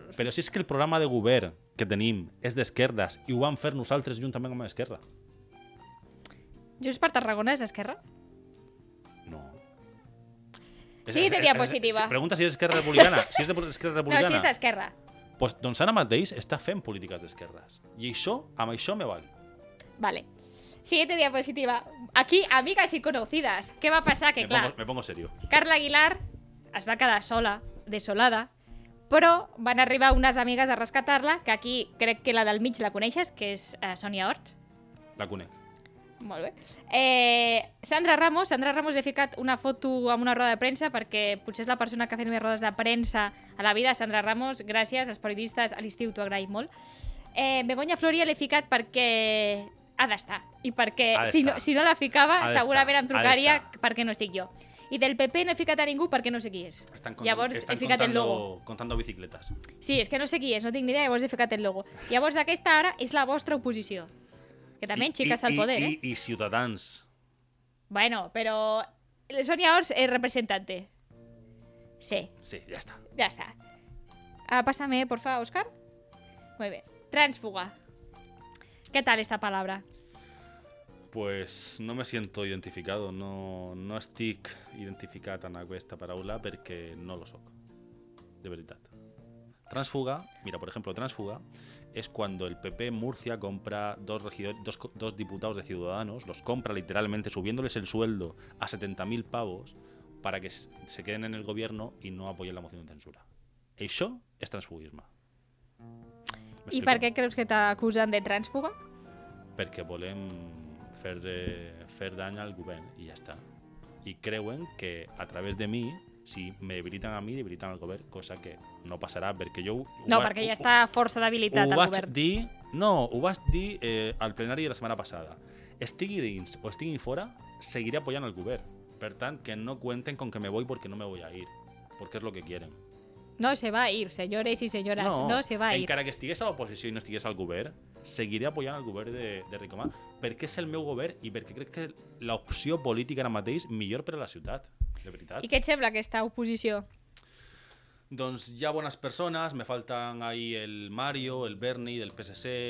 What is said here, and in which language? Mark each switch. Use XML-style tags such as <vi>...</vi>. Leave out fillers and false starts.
<ca>Però si és que el programa de govern que tenim és d'esquerres i ho vam fer nosaltres juntament amb Esquerra. Junts per Tarragona és Esquerra? No. Sí, té diapositiva. Si pregunta si és Esquerra Republicana. Si és d'Esquerra Republicana. No, si és d'Esquerra. Pues, doncs ara mateix està fent polítiques d'esquerres. I això, amb això me val. Vale.</ca> <es>Siguiente diapositiva. Aquí, amigas y conocidas.</es> <ca>Què va passar? Que, clar,</ca> <es>me pongo serio.</es> <ca>Carla Aguilar es va quedar sola, desolada, però van arribar unes amigues a rescatar-la, que aquí crec que la del mig la coneixes, que és Sònia Horts. La conec. Molt bé. Sandra Ramos, he ficat una foto amb una roda de premsa, perquè potser és la persona que ha fet més rodes de premsa a la vida. Sandra Ramos, gràcies, els periodistes, a l'estiu t'ho agraïm molt. Begoña Floria l'he ficat perquè ha d'estar. I perquè si no la ficava, segurament em trucaria perquè no estic jo. I del PP no he ficat a ningú perquè no sé qui és.</ca> <es>Estan contando bicicletas.</es> <ca>Sí, és que no sé qui és, no tinc ni idea, llavors he ficat el logo. Llavors aquesta ara és la vostra oposició. Que també enxiques al poder, eh? I Ciutadans. Bueno, però Sonia Ors és representante. Sí. Sí, ja està. Ja està.</ca> <es>Pásame, porfa, Òscar. Muy bien. Transfuga. ¿Qué tal esta palabra? Pues no me siento identificado.</es> <ca>No estic identificat en aquesta paraula perquè no lo soc. De veritat.</ca> <es>Transfuga, mira, por ejemplo, transfuga es cuando el PP Murcia compra dos diputados de Ciudadanos, los compra literalmente subiéndoles el sueldo a 70.000 pavos para que se queden en el gobierno y no apoyen la moción de censura.</es> <ca>Això és transfugisme. I per què creus que t'acusen de transfuga? Perquè volem fer dany al govern i ja està. I creuen que a través de mi, si me debiliten a mi, debiliten al govern, cosa que no passarà perquè jo... Perquè ja està força debilitat al govern. Ho vaig dir al plenari de la setmana passada. Estigui dins o estigui fora, seguiré apoyant el govern. Per tant,</ca> <es>que no cuenten con que me voy porque no me voy a ir. Porque es lo que quieren. No se va a ir, señores y señoras, no se va a ir.</es> <ca>Encara que estigués a l'oposició i no estigués al govern, seguiré apoyant el govern de Ricomà, perquè és el meu govern i perquè crec que l'opció política ara mateix millor per a la ciutat, de veritat. I què et sembla aquesta oposició? Doncs hi ha bones persones, me falten ahí el Mario, el Berni del PSC...</ca>